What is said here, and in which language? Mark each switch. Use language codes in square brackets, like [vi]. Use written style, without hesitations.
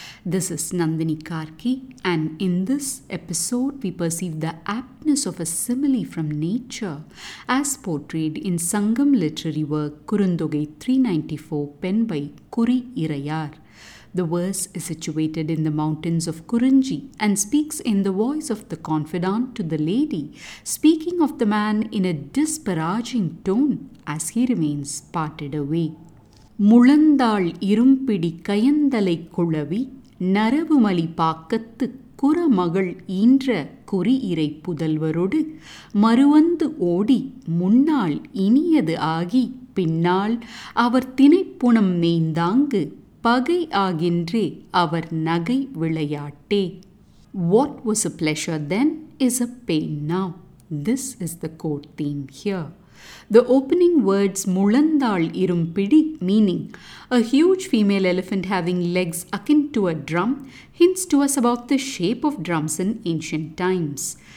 [en] This is Nandini Karki, and in this episode we perceive the aptness of a simile from nature as portrayed in Sangam literary work Kurundogai 394 penned by Kuri Irayar. The verse is situated in the mountains of Kurunji and speaks in the voice of the confidant to the lady, speaking of the man in a disparaging tone as he remains parted away. [ta] முழந்தாள் இரும்பிடி கயந்தலை குழவி நரவுமலி பாக்கத்து குறமகள் ஈன்ற குறி இறை புதல்வரோடு மறுவந்து ஓடி முன்னால் இனியது ஆகி பின்னால் அவர் திணைப்புணம் மேய்ந்தாங்கு பகை ஆகின்றே அவர் நகை விளையாட்டே. [en] What was a pleasure then is a pain now. This is the core theme here. The opening words mulandal irumpidi, meaning a huge female elephant having legs akin to a drum, hints to us about the shape of drums in ancient times.